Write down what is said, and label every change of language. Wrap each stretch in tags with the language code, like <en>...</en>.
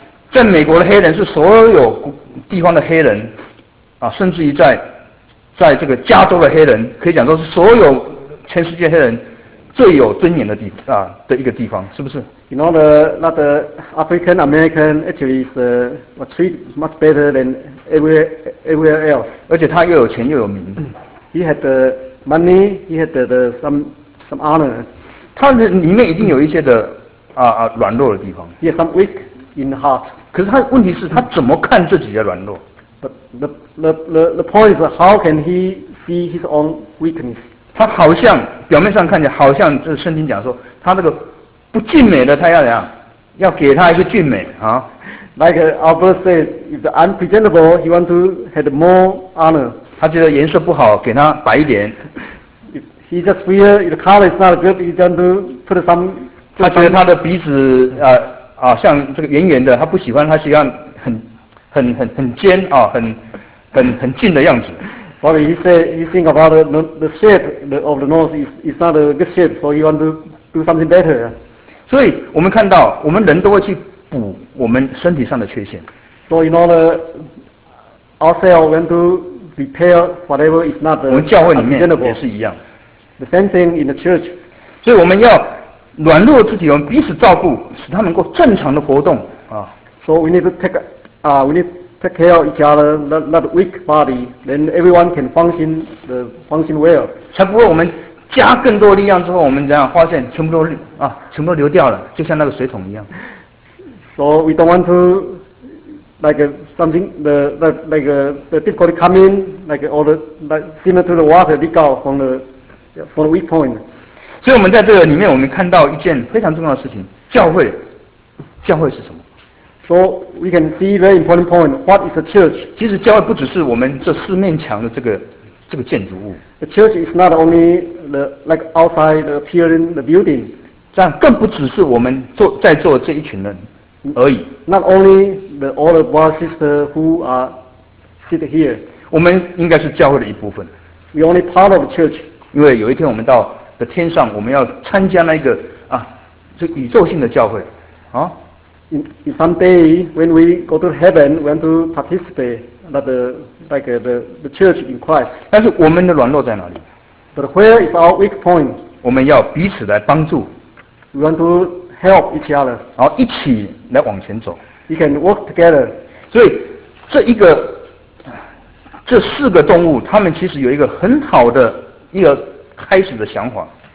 <zh>在美国的黑人是所有地方的黑人，啊，甚至于在这个加州的黑人，可以讲说是所有全世界黑人最有尊严的地啊的一个地方，是不是</zh> <en>？You know that African American actually is treated much better than everywhere else.</en> <zh>而且他又有钱又有名。</zh> <en>He had the money. He had the some honor.</en> <zh>他里面一定有一些的软弱的地方。</zh> <en>Yes, some weak in the heart.</en> <zh>可是他问题是他怎么看自己的软弱</zh> <en>？But the point is how can he see his own weakness?</en> <zh>他好像表面上看起来好像这圣经讲说他那个不俊美的他要怎样？要给他一个俊美啊</zh> <en>？Like Albert says, if the unpresentable, he want to have more honor.</en> <zh>他觉得颜色不好，给他白一点。</zh> <en>He just feel the color is not good. He just put some.</en> <zh>他觉得他的鼻子像这个圆圆的，他不喜欢，他喜欢很尖啊，很俊的样子。</zh> <en>Probably he said he think about the shape of the nose is not a good shape, so he want to do something better.</en> <zh>所以我们看到，我们人都会去补我们身体上的缺陷。</zh> <en>So in order, ourselves want to repair whatever is not.</en> <zh>我们教会里面也是一样。</zh> <en>The same thing in the church.</en> <zh>所以我们要软弱自己，我们彼此照顾，使他能够正常的活动啊。</zh> <en>So we need to take care of each other, not weak body, then everyone can function well.</en> <zh>才不会我们加更多力量之后，我们这样发现全部都啊，全部都流掉了，就像那个水桶一样。</zh> <en>So we don't want to like something the difficulty coming like all the like similar to the water leak out from the weak point.</en> <zh>所以我们在这个里面，我们看到一件非常重要的事情：教会，教会是什么？</zh> <en>So we can see very important point. What is the church?</en> <zh>其实教会不只是我们这四面墙的这个建筑物。</zh> <en>The church is not only the like outside the appearing the building.</en> <zh>这样更不只是我们在座这一群人而已。</zh> <en>Not only the all of our sisters who are sit here.</en> <zh>我们应该是教会的一部分。</zh> <en>We only part of the church.</en> <zh>因为有一天我们到的天上，我们要参加那个啊，这宇宙性的教会，啊。</zh> <en>In someday when we go to heaven, we want to participate that the church in Christ.</en> <zh>但是我们的软弱在哪里？</zh> <en>But where is our weak point?</en> <zh>我们要彼此来帮助。</zh> <en>We want to help each other.</en> <zh>然后一起来往前走。</zh> <en>We can work together.</en> <zh>所以这一个这四个动物，他们其实有一个很好的一个开始的想法。</zh>